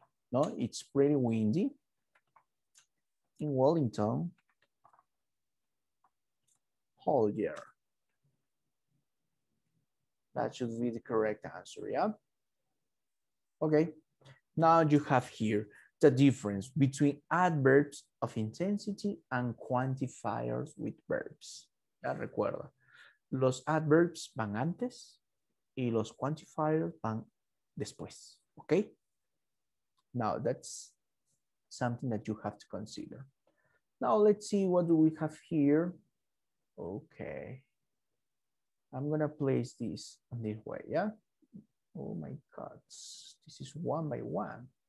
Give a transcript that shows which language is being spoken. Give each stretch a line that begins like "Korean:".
English: No, it's pretty windy in Wellington all year. That should be the correct answer, yeah? Okay, now you have here the difference between adverbs of intensity and quantifiers with verbs.
Spanish: Ya recuerda. Los adverbs van antes y los quantifiers van después, okay?
English: Now, that's something that you have to consider. Now, let's see what do we have here. Okay. I'm going to place this in this way, yeah? Oh, my God. This is one by one.